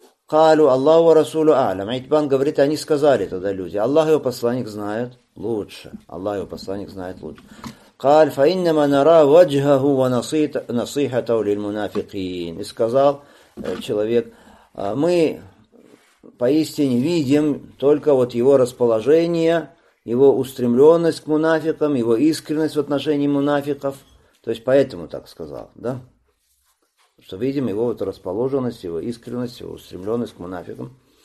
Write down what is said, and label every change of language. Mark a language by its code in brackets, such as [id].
[ar] Калу Аллаху ва Расулу а'лам. [ru] Итбан говорит, они сказали тогда люди, Аллах его посланник знает лучше, Аллах его посланник знает лучше. [ar] قال فإنما نرى وجهه ونصيحته للمنافقين. [ru] И сказал человек, мы поистине видим только вот его расположение, его устремленность к мунафикам, его искренность в отношении мунафиков. То есть поэтому так сказал, да? Что видим его вот расположенность, его искренность, его устремленность к мунафикам.